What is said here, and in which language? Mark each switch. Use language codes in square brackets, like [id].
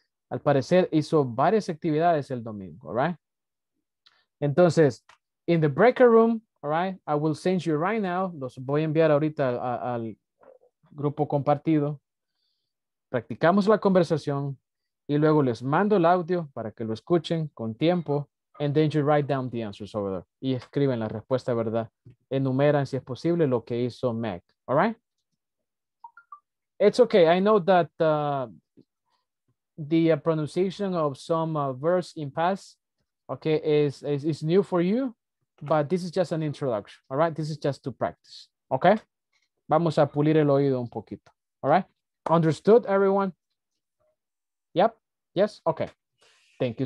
[es] Al parecer hizo varias actividades el domingo, all right? Entonces, [en] in the breakout room, [es] all right, [en] I will send you right now, [es] los voy a enviar ahorita al grupo compartido, practicamos la conversación, y luego les mando el audio para que lo escuchen con tiempo. [en] And then you write down the answers over there. [es] Y escriben la respuesta, ¿verdad? Enumeran, si es posible, lo que hizo Meg. [en] All right? It's okay. I know that the pronunciation of some verbs in past, okay, is new for you. But this is just an introduction. All right? This is just to practice. Okay? [es] Vamos a pulir el oído un poquito. [en] All right? Understood, everyone? Yep. Yes. Okay. Thank you.